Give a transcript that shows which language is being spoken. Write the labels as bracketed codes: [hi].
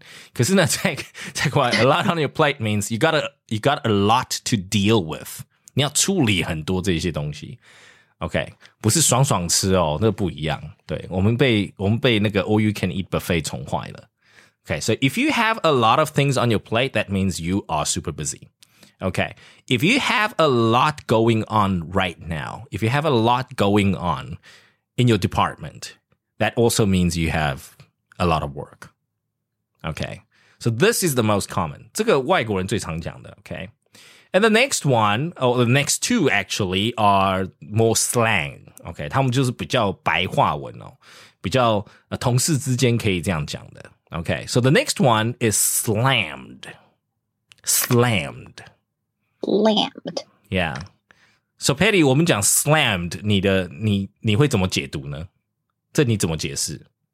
[en] 嗯、 [zh] 可是呢在国外 [en] ,a lot on your plate means you got a lot to deal with. [zh] 你要处理很多这些东西。OK, 不是爽爽吃哦那不一样。对我们被那个 all you can eat buffet 宠坏了。 [en] OK, so if you have a lot of things on your plate, that means you are super busy. OK, if you have a lot going on right now, if you have a lot going on in your department,That also means you have a lot of work. Okay. So this is the most common. [zh] 这个外国人最常讲的 [en] okay. And the next one, or the next two actually, are more slang. Okay. [zh] 他们就是比较白话文哦。比较同事之间可以这样讲的 Okay. [en] So the next one is slammed. Slammed. Slammed. [zh] Yeah. So Patty, 我们讲 slammed, 你会怎么解读呢这你怎么解释？